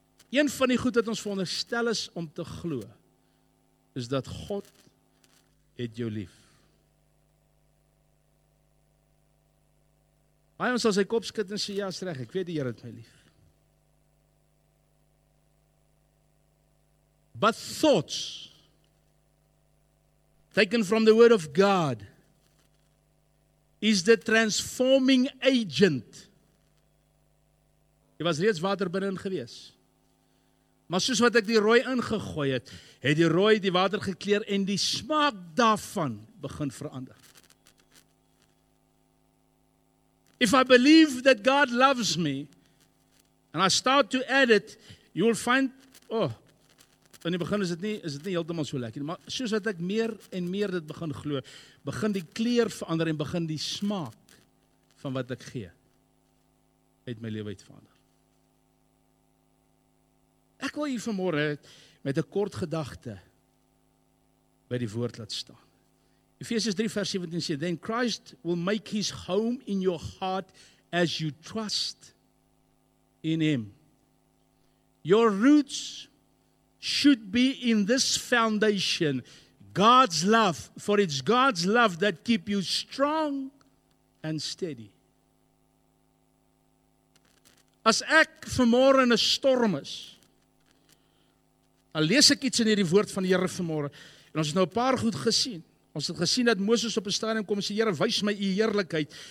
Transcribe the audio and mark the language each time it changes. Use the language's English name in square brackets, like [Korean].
[Afrikaans] Een van die goed wat ons veronderstel is om te glo, is dat God het jou lief. Baie ons sal sy kop skud en sê, ja, is reg, ek weet die Heer het my lief. [English] But thoughts, taken from the word of God, is the transforming agent. [Afrikaans] Jy was reeds water binnen gewees. Maar soos wat ek die rooi ingegooi het, het die rooi die water gekleer en die smaak daarvan begin verander. [English] If I believe that God loves me, and I start to add it, you will find, oh, [Afrikaans] in die begin is dit nie heeltemal so lekker. Maar soos wat ek meer en meer dit begin glo, begin die kleur verander en begin die smaak van wat ek gee, uit my lewe uit verander. Ek wil hier vanmôre met 'n kort gedagte by die woord laat staan. Efesiërs 3 vers 17 sê, [English] then Christ will make his home in your heart as you trust in him. Your roots should be in this foundation, God's love, for it's God's love that keep you strong and steady. [Afrikaans] As ek vanmôre in 'n storm is, al lees ek iets in hierdie woord van die Here vanmôre. En ons het nou 'n paar goed gesien. Ons het gesien dat Moses op 'n stadium kom en sê, Here, wys my u heerlikheid.